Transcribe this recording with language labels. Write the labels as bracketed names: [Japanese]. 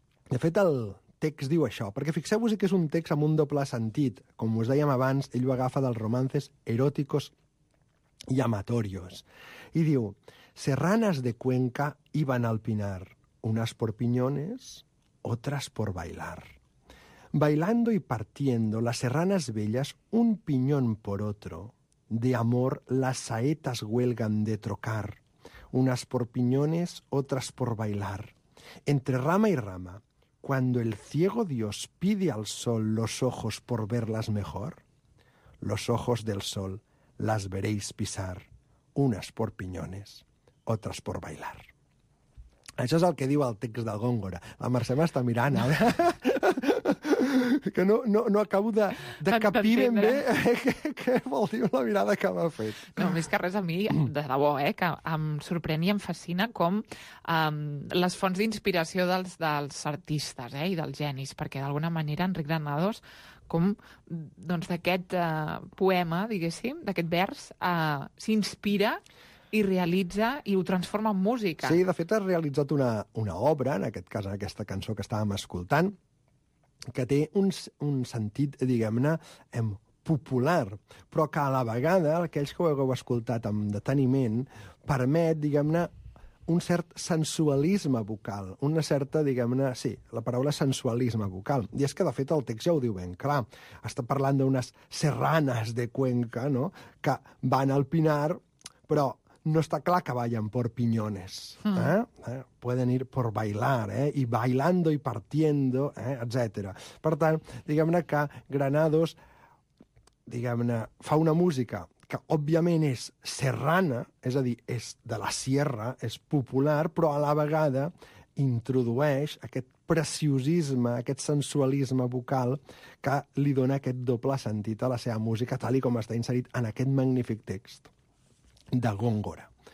[Catalan] De fet, el text diu això, perquè fixeu-vos-hi que és un text amb un doble sentit. Com us dèiem abans, ell ho agafa dels romances eròticos i amatorios. I diu, [Spanish] Serranas de Cuenca iban al Pinar, unas por piñones... otras por bailar. Bailando y partiendo las serranas bellas, un piñón por otro, de amor las saetas huelgan de trocar, unas por piñones, otras por bailar. Entre rama y rama, cuando el ciego Dios pide al sol los ojos por verlas mejor, los ojos del sol las veréis pisar, unas por piñones, otras por bailar. [Catalan] Això és el que diu el text del Góngora. La Mercè m'està mirant, ara. Que no acabo de capir ben bé què vol dir la mirada que m'ha fet. No, més que res, a mi, de debò, que em sorprèn i em fascina com les fonts d'inspiració dels artistes i dels genis, perquè d'alguna manera Enric Granados com doncs, d'aquest poema, diguéssim, d'aquest vers, s'inspira i realitza i ho transforma en música. Sí, de fet, has realitzat una obra, en aquest cas, en aquesta cançó que estàvem escoltant, que té un sentit, diguem-ne, popular, però que a la vegada, aquells que ho heu escoltat amb deteniment, permet, diguem-ne, un cert sensualisme vocal, una certa, diguem-ne, sí, la paraula sensualisme vocal. I és que, de fet, el text ja ho diu ben clar. Està parlant d'unes serranes de Cuenca, no?, que van al Pinar, però no està clar que [Spanish] vayan por piñones. Pueden ir por bailar, y bailando y partiendo, etc. [Catalan] Per tant, diguem-ne que Granados, diguem-ne, fa una música que, òbviament, és serrana, és a dir, és de la sierra, és popular, però a la vegada introdueix aquest preciosisme, aquest sensualisme vocal que li dona aquest doble sentit a la seva música, tal i com està inserit en aquest magnífic text de Góngora.